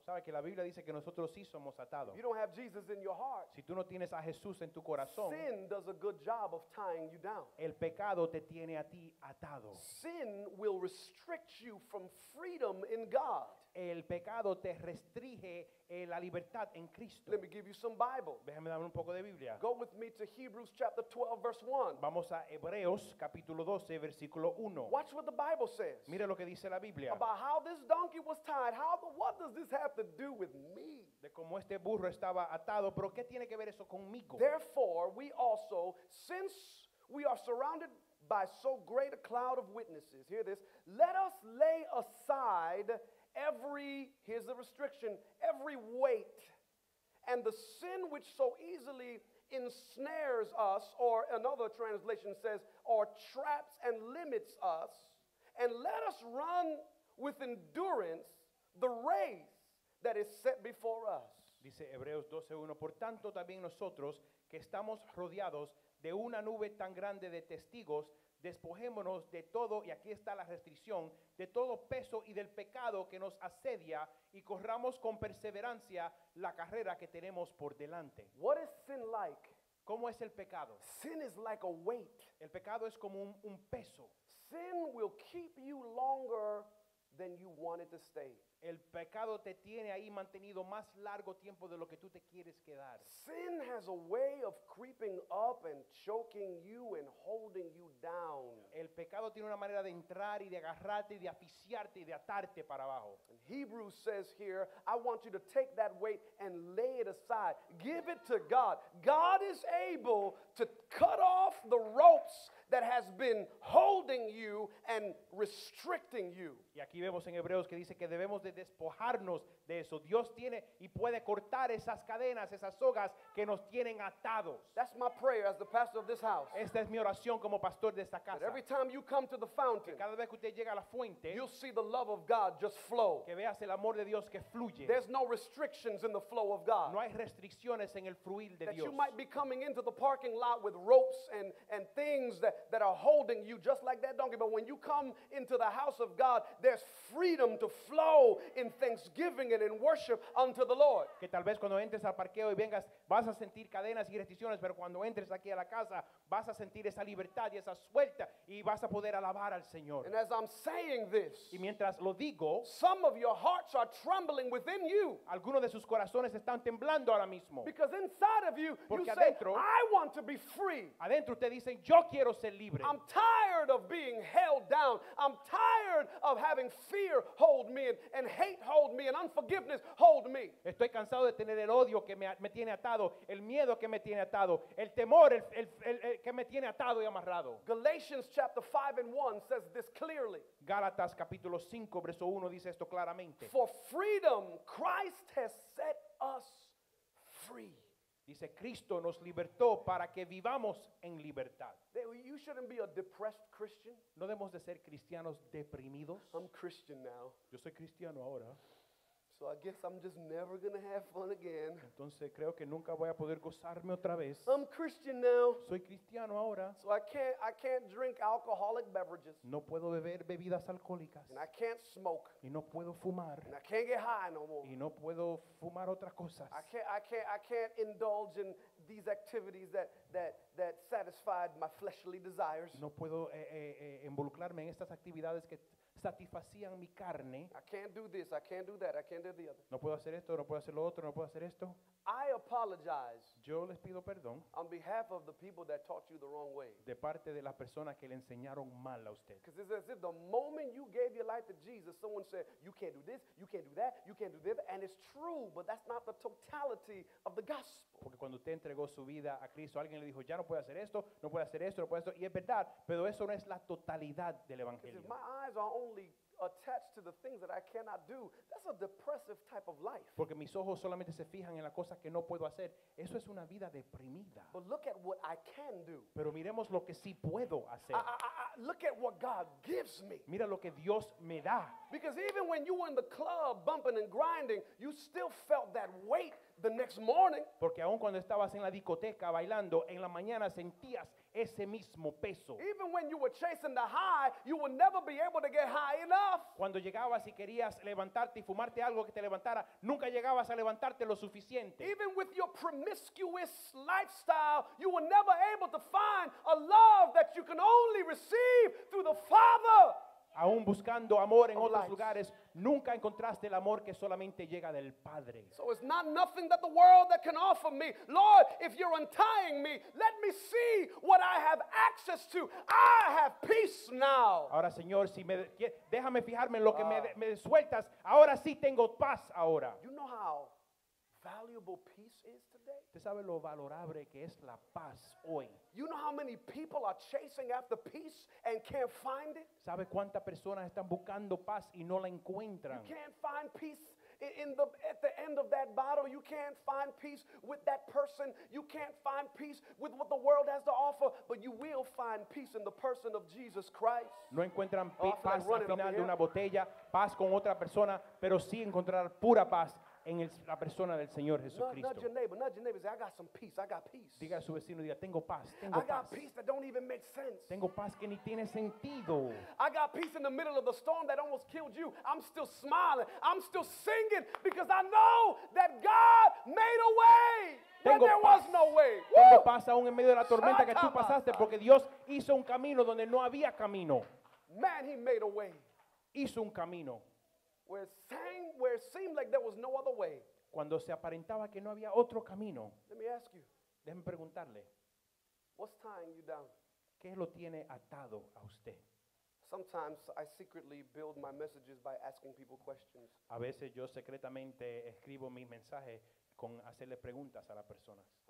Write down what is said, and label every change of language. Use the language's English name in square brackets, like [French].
[Spanish] ¿Sabe que la Biblia dice que nosotros sí somos atados? [English] You don't have Jesus in your heart. [Spanish] Si tú no tienes a Jesús en tu corazón. [English] Sin does a good job of tying you down. [Spanish] El pecado te tiene a ti atado. [English] Sin will restrict you from freedom in God. [Spanish] El pecado te restringe la libertad en Cristo. [English] Let me give you some Bible. [Spanish] Déjame darme un poco de Biblia. [English] Go with me to Hebrews chapter 12 verse 1. [Spanish] Vamos a Hebreos capítulo 12 versículo 1. [English] Watch what the Bible says. [Spanish] Mira lo que dice la Biblia. [English] About how this donkey was tied. What does this have to do with me? [Spanish] De cómo este burro estaba atado, pero ¿qué tiene que ver eso conmigo? [English] Therefore, we also, since we are surrounded by so great a cloud of witnesses, hear this, let us lay aside here's the restriction, every weight and the sin which so easily ensnares us, or another translation says, or traps and limits us, and let us run with endurance the race that is set before us. [Spanish] Dice Hebreos 12:1, por tanto también nosotros que estamos rodeados de una nube tan grande de testigos, despojémonos de todo, y aquí está la restricción, de todo peso y del pecado que nos asedia, y corramos con perseverancia la carrera que tenemos por delante. [English] What is sin like? [Spanish] ¿Cómo es el pecado? [English] Sin is like a weight. [Spanish] El pecado es como un peso. [English] Sin will keep you longer than you wanted to stay. [Spanish] El pecado te tiene ahí mantenido más largo tiempo de lo que tú te quieres quedar. [English] Sin has a way of creeping up and choking you and holding you down. [Spanish] El pecado tiene una manera de entrar y de agarrarte y de asfixiarte y de atarte para abajo. [English] And Hebrews says here, I want you to take that weight and lay it aside. Give it to God. God is able to cut off the ropes that has been holding you and restricting you. [Spanish] Y aquí vemos en Hebreos que dice que debemos de despojarnos de eso. Dios tiene y puede cortar esas cadenas, esas sogas que nos tienen atados. [English] That's my prayer as the pastor of this house. [Spanish] Esta es mi oración como pastor de esta casa. [English] That every time you come to the fountain, [Spanish] que cada vez que usted llega a la fuente, [English] you'll see the love of God just flow. [Spanish] Que veas el amor de Dios que fluye. [English] There's no restrictions in the flow of God. [Spanish] No hay restricciones en el fluir de [English] that [Spanish] Dios. [English] You might be coming into the parking lot with ropes and things that are holding you just like that donkey, but when you come into the house of God, there's freedom to flow in thanksgiving and in worship unto the Lord. [Spanish] Que tal vez cuando entres al parqueo y vengas, vas a sentir cadenas y restricciones, pero cuando entres aquí a la casa, vas a sentir esa libertad y esa suelta, y vas a poder alabar al Señor. [English] And as I'm saying this, [Spanish] y mientras lo digo, [English] some of your hearts are trembling within you. [Spanish] Algunos de sus corazones están temblando ahora mismo. [English] Because inside of you, [Spanish] porque [English] you [Spanish] adentro, [English] say, I want to be free. [Spanish] Adentro te dicen, yo quiero ser libre. [English] I'm tired of being held down. I'm tired of having fear hold me and hate hold me and unforgiveness hold me. [Spanish] Estoy cansado de tener el odio que me tiene atado, el miedo que me tiene atado, el temor el que me tiene atado y amarrado. [English] Galatians chapter 5 and 1 says this clearly. [Spanish] Gálatas capítulo 5 verso 1 dice esto claramente. [English] For freedom Christ has set us free. [Spanish] Dice Cristo nos libertó para que vivamos en libertad. [English] You shouldn't be a depressed Christian. [Spanish] No debemos de ser cristianos deprimidos. [English] I'm Christian now. [Spanish] Yo soy cristiano ahora. [English] So I guess I'm just never gonna have fun again. [Spanish] Entonces creo que nunca voy a poder gozarme otra vez. [English] I'm Christian now. [Spanish] Soy cristiano ahora. [English] So I can't drink alcoholic beverages. [Spanish] No puedo beber bebidas alcohólicas. [English] And I can't smoke. [Spanish] Y no puedo fumar. [English] And I can't get high no more. [Spanish] Y no puedo fumar otras cosas. [English] I can't indulge in these activities that satisfied my fleshly desires. [Spanish] No puedo involucrarme en estas actividades que satisfacían mi carne. [English] I can't do this, I can't do that, I can't do the other. [Spanish] No puedo hacer esto, no puedo hacer lo otro, no puedo hacer esto. [English] I apologize. [Spanish] Yo les pido perdón. [English] On behalf of the people that taught you the wrong way. [Spanish] De parte de las personas que le enseñaron mal a usted. [English] Because it's as if the moment you gave your life to Jesus, someone said, you can't do this, you can't do that, you can't do this. And it's true, but that's not the totality of the gospel. [Spanish] Porque cuando usted entregó su vida a Cristo, alguien le dijo, ya no puede hacer esto, no puede hacer esto, no puede hacer esto. Y es verdad, pero eso no es la totalidad del evangelio. [English] My eyes are only attached to the things that I cannot do. That's a depressive type of life. [Spanish] Porque mis ojos solamente se fijan en las cosas que no puedo hacer. Eso es una vida deprimida. [English] But look at what I can do. [Spanish] Pero miremos lo que sí puedo hacer. [English] Look at what God gives me. [Spanish] Mira lo que Dios me da. [English] Because even when you were in the club bumping and grinding, you still felt that weight the next morning. [Spanish] Porque aun cuando estabas en la discoteca bailando, en la mañana sentías ese mismo peso. [English] Even when you were chasing the high, you would never be able to get high enough. [Spanish] Cuando llegabas y querías levantarte y fumarte algo que te levantara, nunca llegabas a levantarte lo suficiente. [English] Even with your promiscuous lifestyle, you were never able to find a love that you can only receive through the Father. [Spanish] Aún buscando amor en otros lugares, nunca encontraste el amor que solamente llega del Padre. [English] So it's not nothing that the world that can offer me. Lord, if you're untying me, let me see what I have access to. I have peace now. [Spanish] Ahora, Señor, si me déjame fijarme en lo que me sueltas, ahora sí tengo paz ahora. [English] You know how valuable peace is today? [Spanish] ¿Te sabe lo valorable que es la paz hoy? [English] You know how many people are chasing after peace and can't find it? [Spanish] ¿Sabe cuántas personas están buscando paz y no la encuentran? [English] You can't find peace at the end of that bottle. You can't find peace with that person. You can't find peace with what the world has to offer. But you will find peace in the person of Jesus Christ. [Spanish] No encuentran paz al final de una botella, paz con otra persona, pero sí encontrar pura paz en la persona del Señor Jesucristo. [English] Nudge your neighbor, say, I got some peace, I got peace. [Spanish] Diga a su vecino, diga, tengo paz, tengo [English] I got [Spanish] paz. [English] Peace that don't even make sense. [Spanish] Tengo paz que ni tiene sentido. [English] I got peace in the middle of the storm that almost killed you. I'm still smiling, I'm still singing, because I know that God made a way [Spanish] tengo [English] when there [Spanish] paz. [English] Was no way. [Spanish] Tengo paz aún en medio de la tormenta que tú pasaste, porque Dios hizo un camino donde no había camino. [English] Man, he made a way. [Spanish] Hizo un camino. [English] Where it seemed like there was no other way. [Spanish] Cuando se aparentaba que no había otro camino. [English] Let me ask you. [Spanish] Déjeme preguntarle. [English] What's tying you down? [Spanish] ¿Qué lo tiene atado a usted? [English] Sometimes I secretly build my messages by asking people questions. [Spanish] A veces yo secretamente escribo mis mensajes con hacerle preguntas a las personas.